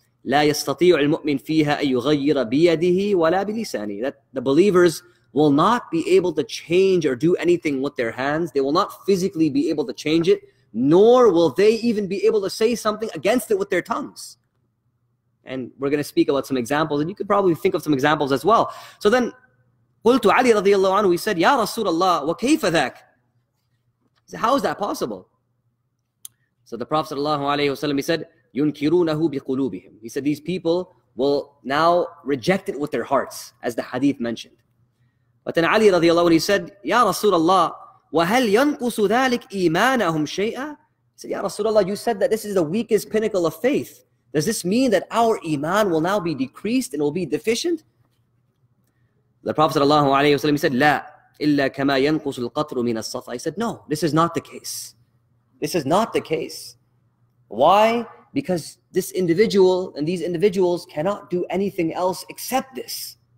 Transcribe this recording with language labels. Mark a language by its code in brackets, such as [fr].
[ar] لَا يَسْتَطِيعُ الْمُؤْمِنُ فِيهَا أَن يُغَيِّرَ بِيَدِهِ وَلَا بِلِسَانِهِ. [en] That the believers will not be able to change or do anything with their hands. They will not physically be able to change it, nor will they even be able to say something against it with their tongues. And we're going to speak about some examples, and you could probably think of some examples as well. [ar] So then, قلت علي رضي الله عنه, we said, يا رسول الله, وكيف ذاك? [en] How is that possible? So the Prophet sallallahu alayhi wasallam, he said, ينكرونه بقلوبهم. He said, these people will now reject it with their hearts, as the hadith mentioned. [ar] But then Ali رضي الله عنه, he said, يا رسول الله, وَهَلْ يَنْقُسُ ذَلِكْ إِيمَانَهُمْ شَيْئًا? [en] He said, Ya Rasulullah, you said that this is the weakest pinnacle of faith. Does this mean that our iman will now be decreased and will be deficient? The Prophet sallallahu alayhi wa sallam, he said, لَا إِلَّا كَمَا يَنْقُسُ الْقَطْرُ مِنَ الصَّفَى. He said, no, this is not the case. This is not the case. Why? Because this individual and these individuals cannot do anything else except this.